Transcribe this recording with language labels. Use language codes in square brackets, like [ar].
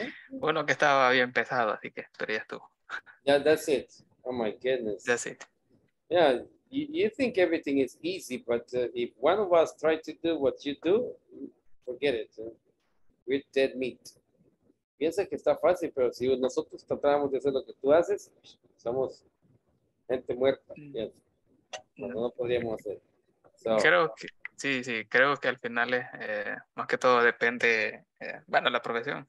[es] Bueno, que estaba bien pesado, así que, pero ya estuvo. [en] Yeah, that's it. Oh my goodness. That's it. Yeah, you think everything is easy, but if one of us try to do what you do, forget it. We're dead meat. [es] Piensa que está fácil, pero si nosotros tratamos de hacer lo que tú haces, somos gente muerta. Yes. No, no podríamos hacer. So, creo que, sí, sí, creo que al final es, más que todo depende, bueno, la profesión.